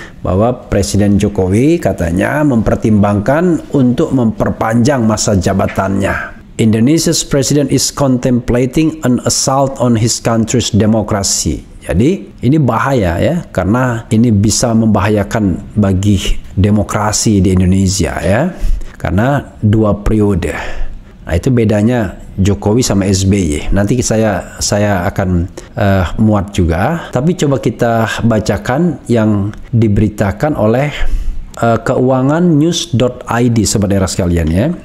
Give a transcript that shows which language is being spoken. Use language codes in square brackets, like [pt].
[id] Bahwa Presiden Jokowi katanya mempertimbangkan untuk memperpanjang masa jabatannya. [en] Indonesia's president is contemplating an assault on his country's democracy. [id] Jadi ini bahaya, ya, karena ini bisa membahayakan bagi demokrasi di Indonesia, ya, karena dua periode. Nah, itu bedanya Jokowi sama SBY. Nanti saya akan muat juga, tapi coba kita bacakan yang diberitakan oleh keuangannews.id, saudara sekalian, ya.